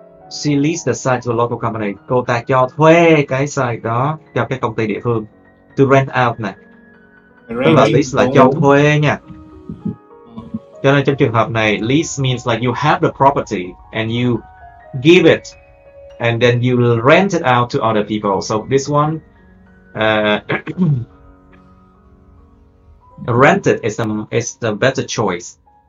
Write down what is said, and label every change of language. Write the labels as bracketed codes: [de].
[en] She leased the site to a local company. [vi] Cô ta cho thuê cái site đó cho cái công ty địa phương. [en] To rent out [vi] nè. Tức là lease là cho thuê nha. Cho nên trong trường hợp này, [en] lease means like you have the property and you give it and then you rent it out to other people. So this one, rented is the better choice.